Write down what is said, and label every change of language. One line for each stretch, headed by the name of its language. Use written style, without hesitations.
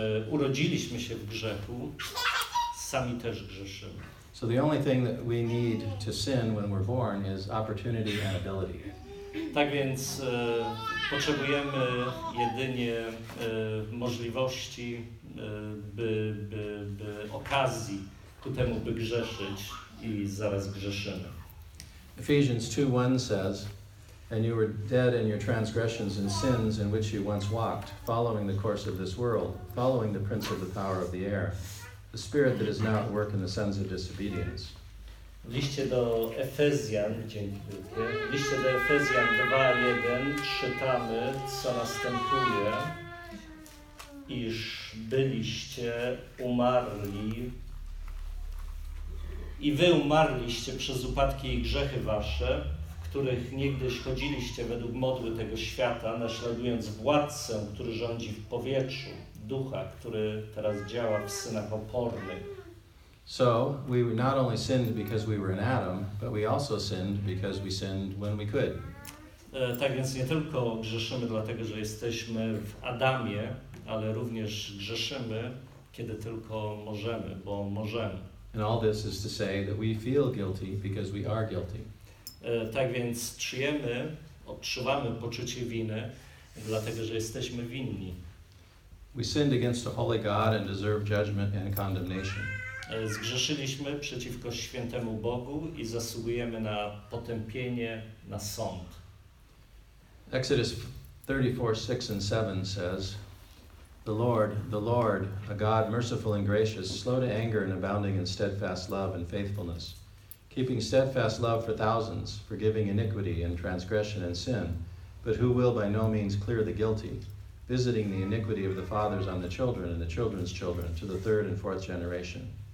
Polish: Urodziliśmy się w grzechu, sami też grzeszymy.
English: So the only thing that we need to sin when we're born is opportunity and ability.
Polish: Tak więc potrzebujemy jedynie możliwości, by okazji ku temu, by grzeszyć, i zaraz grzeszymy.
English: Ephesians 2:1 says, "And you were dead in your transgressions and sins in which you once walked, following the course of this world, following the prince of the power of the air, the spirit that is now at work in the sons of disobedience."
Polish: W liście do Efezjan, dziękuję, w liście do Efezjan 2:1 czytamy, co następuje, iż byliście umarli i wy umarliście przez upadki i grzechy wasze, w których niegdyś chodziliście według modły tego świata, naśladując władcę, który rządzi w powietrzu, ducha, który teraz działa w synach opornych.
English: So, we not only sinned because we were in Adam, but we also sinned because we sinned when we could.
Polish: Tak więc nie tylko grzeszymy dlatego, że jesteśmy w Adamie, ale również grzeszymy, kiedy tylko możemy, bo możemy.
English: And all this is to say that we feel guilty because we are guilty.
Polish: Tak więc czujemy, odczuwamy poczucie winy, dlatego że jesteśmy winni.
English: We sinned against a holy God and deserve judgment and condemnation.
Polish: Zgrzeszyliśmy przeciwko świętemu Bogu i zasługujemy na potępienie, na sąd.
English: Exodus 34, 6 and 7 says, the Lord, a God merciful and gracious, slow to anger and abounding in steadfast love and faithfulness, keeping steadfast love for thousands, forgiving iniquity and transgression and sin, but who will by no means clear the guilty, visiting the iniquity of the fathers on the children and the children's children to the third and fourth generation.